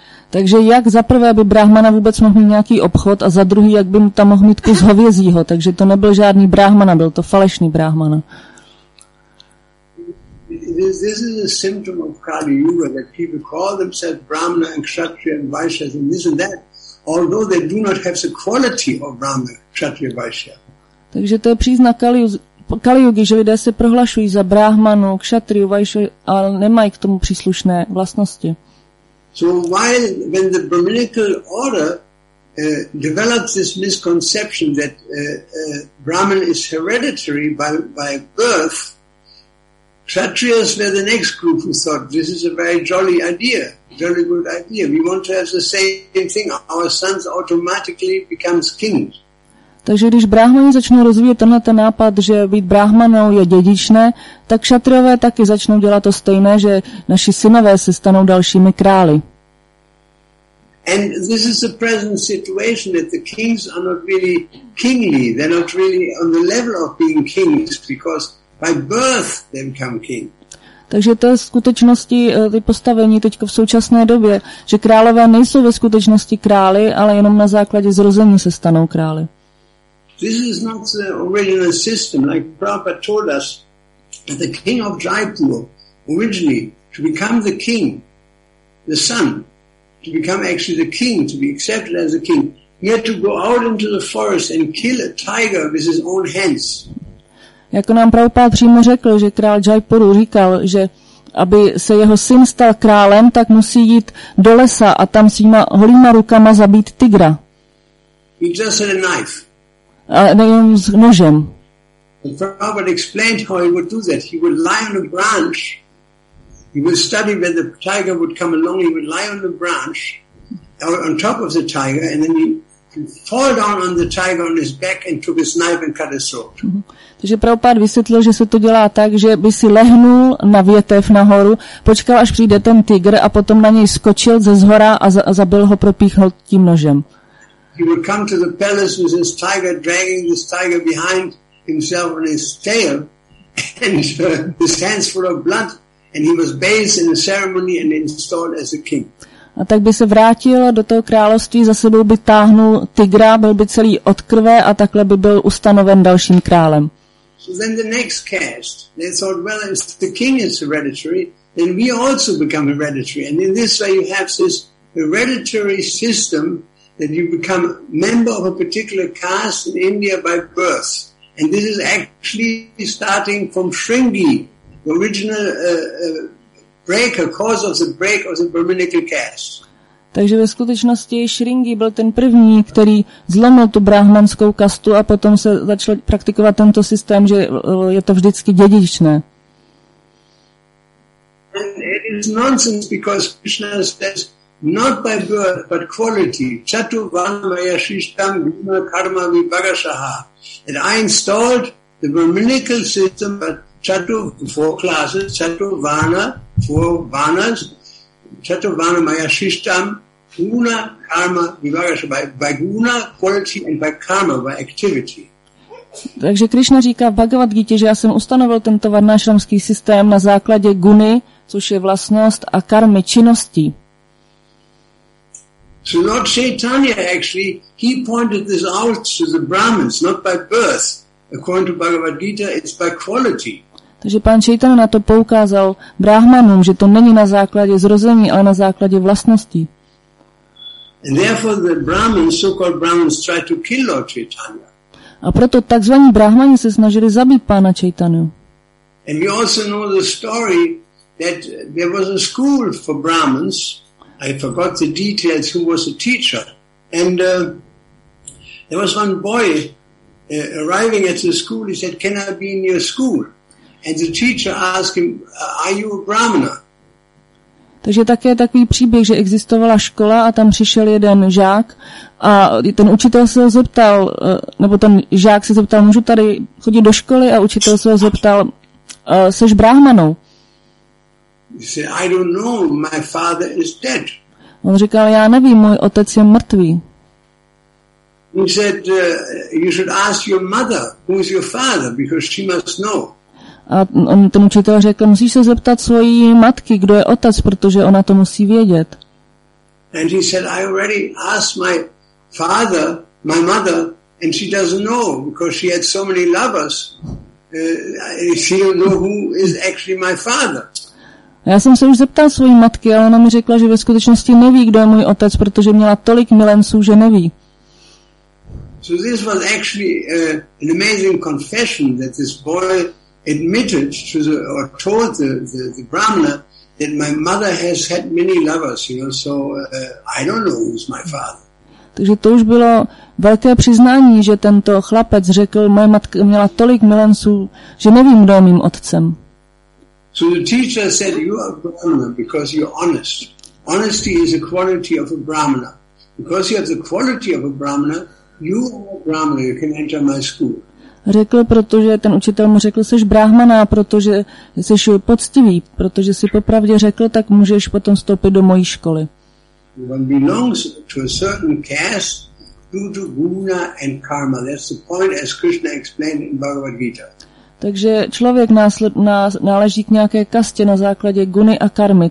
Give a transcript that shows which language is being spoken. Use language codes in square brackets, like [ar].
[cs] Takže jak za prvé, aby brahmana vůbec mohl mít nějaký obchod a za druhý, jak by mu tam mohl mít kus hovězího. Takže to nebyl žádný brahmana, byl to falešný brahmana. [en] This is a symptom of Kali Yuga that people call themselves brahmana and kshatriya and vaishya and this and that, although they do not have the quality of brahmana, kshatriya, vaishya. [cs] Takže to je příznak Kali Yugi, že lidé se prohlašují za brahmanu, kšatriu, vajšu, ale nemají k tomu příslušné vlastnosti. [en] So while when the Brahminical order develops this misconception that Brahman is hereditary by birth, kshatriyas were the next group who thought this is a very jolly idea, jolly good idea. We want to have the same thing. Our sons automatically become kings. [cs] Takže když bráhmani začnou rozvíjet tenhle ten nápad, že být bráhmanou je dědičné, tak kšatriové taky začnou dělat to stejné, že naši synové se stanou dalšími krály. [en] And this is the present situation that the kings are not really kingly, they're not really on the level of being kings, because by birth they become king. [cs] Takže to je v skutečnosti ty postavení teď v současné době, že králové nejsou ve skutečnosti králi, ale jenom na základě zrození se stanou králi. [en] This is not the original system. Like Prabhupada told us, the king of Jaipur originally to become the king, the son, to become actually the king, to be accepted as a king, he had to go out into the forest and kill a tiger with his own hands. [cs] Jako nám Prabhupada přímo řekl, že král Jaipuru říkal, že aby se jeho syn stal králem, tak musí jít do lesa a tam svýma holýma rukama zabít tygra. [en] He just had a knife. [cs] A nejenom s nožem. [en] Prabhupada explained how he would do that. He would lie on a branch. He would study when the tiger would come along. He would lie on the branch, on top of the tiger, and then he would fall down on the tiger on his back and took his knife and cut his throat. [cs] Takže Prabhupada vysvětlil, že se to dělá tak, že by si lehnul na větev nahoru, počkal, až přijde ten tiger a potom na něj skočil ze zhora a zabil ho, propíchnul tím nožem. [en] He would come to the palace with his tiger, dragging this tiger behind himself on his tail, and his hands full of blood, and he was bathed in a ceremony and installed as a king. [cs] A tak by se vrátil do toho království, za sebou by táhnul tygra, byl by celý od krve a takhle by byl ustanoven dalším králem. [en] So then the next cast, they thought, well, if the king is hereditary, then we also become hereditary. And in this way you have this hereditary system that you become member of a particular caste in India by birth. And this is actually starting from Sringi, the original cause of the break of the Brahminical caste. [cs] Takže ve skutečnosti Sringi byl ten první, který zlomil tu brahmanskou kastu a potom se začal praktikovat tento systém, že je to vždycky dědičné. [en] And it is nonsense because Krishna says, not by birth, but quality. [sa] Chaturvanamayashishtam guna karma vibhagasaha. [en] And I installed the Brahminical system at four classes, Chaturvana, four vanas, [sa] Chaturvanamayashishtam guna karma vibhagasaha, [en] by guna, quality, and by karma, by activity. [cs] Takže Krišna říká v Bhagavad Gita, že já jsem ustanovil tento varnášramský systém na základě guny, což je vlastnost, a karmy, činností. [en] So Lord Chaitanya actually, he pointed this out to the Brahmins, not by birth. According to Bhagavad Gita, it's by quality. [cs] Takže pan Chaitanya na to poukázal Brahmanům, že to není na základě zrození, ale na základě vlastností. [en] And therefore the Brahmins, so-called Brahmins, tried to kill Lord Chaitanya. [cs] A proto takzvaní brahmani se snažili zabít pána Chaitanyu. [en] And you also know the story that there was a school for Brahmins. I forgot the details who was the teacher. And there was one boy arriving at the school. He said, "Can I be in your school?" And the teacher asked him, "Are you a Brahmana?" [cs] Takže také je takový příběh, že existovala škola a tam přišel jeden žák a ten učitel se ho zeptal, nebo ten žák se zeptal, můžu tady chodit do školy, a učitel se ho zeptal, seš brahmanou? [en] I don't know, my father is dead. [cs] On říkal, já nevím, můj otec je mrtvý. [en] He said, you should ask your mother, who is your father, because she must know. [cs] A on, ten učitel řekl, musíš se zeptat svojí matky, kdo je otec, protože ona to musí vědět. [en] And he said, I already asked my father, my mother, and she doesn't know, because she had so many lovers. She don't know who is actually my father. [cs] Já jsem se už zeptal svojí matky, ale ona mi řekla, že ve skutečnosti neví, kdo je můj otec, protože měla tolik milenců, že neví. [en] So this was actually an amazing confession that this boy admitted to the, or told the Brahmana that my mother has had many lovers, you know, so I don't know who's my father. [cs] Takže to už bylo velké přiznání, že tento chlapec řekl, moje matka měla tolik milenců, že nevím, kdo je mým otcem. [en] So the teacher said, you are Brahmana because you're honest. Honesty is a quality of a Brahmana. Because you have the quality of a Brahmana, you are a Brahmana, you can enter my school. [cs] Řekl, protože ten učitel mu řekl, jsi brahmana, protože jsi poctivý, protože jsi popravdě řekl, tak můžeš potom vstoupit do mojí školy. [en] One belongs to a certain caste due to guna and karma. That's the point, as Krishna explained in Bhagavad Gita. [cs] Takže člověk náleží k nějaké kastě na základě guny a karmy.